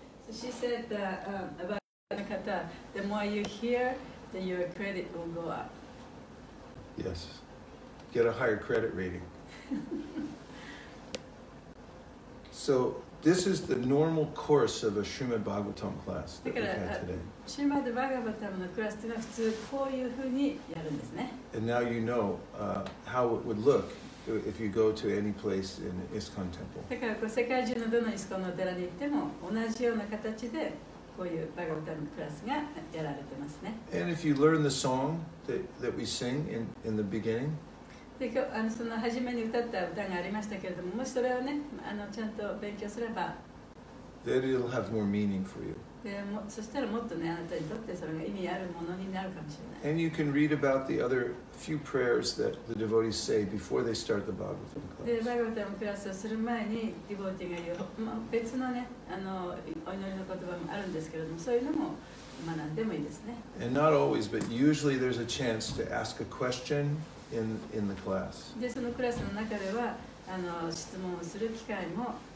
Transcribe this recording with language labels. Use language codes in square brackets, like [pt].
[en] She said that about Nakata, the more you hear, then your credit will go up. Yes. Get a higher credit rating. So this is the normal course of a Srimad Bhagavatam class that we've had today. [ja] Srimad Bhagavatam のクラスというのは普通こういうふうにやるんですね。 [en] And now you know how it would look. If you go to any place in ISKCON temple. [ja] だからこう世界中のどのイスコンのお寺に行っても同じような形でこういうバガヴァタムクラスがやられてますね。 [en] And if you learn the song that we sing in the beginning. [ja] で、今日その初めに歌った歌がありましたけれども、もしそれをね、ちゃんと勉強すれば、 [en] then it'll have more meaning for you. [ja] で、そしたらもっとね、あなたにとってそれが意味あるものになるかもしれない。 [en] And you can read about the other few prayers that the devotees say before they start the Bhagavatam class. [ja] で、バガヴァタムクラスをする前に、ディボーティが言う、別のね、お祈りの言葉もあるんですけれども、そういうのも学んでもいいですね。 [en] And not always, but usually there's a chance to ask a question in the class. [ja] で、そのクラスの中では、質問をする機会も、